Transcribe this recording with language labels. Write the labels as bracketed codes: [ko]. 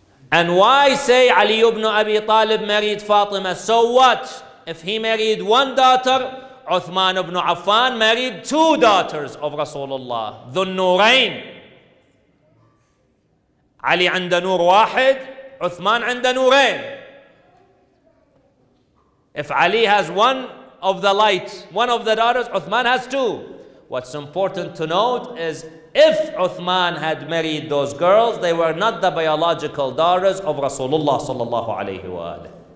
[en] And why say Ali ibn Abi Talib married Fatima? So what? If he married one daughter, Uthman ibn Affan married two daughters of Rasulullah, the Nurain. [ar] Ali عنده نور واحد, Uthman عنده نورين. [en] If Ali has one of the light, one of the daughters, Uthman has two. What's important to note is if Uthman had married those girls, they were not the biological daughters of Rasulullah sallallahu alayhi wa alayhi.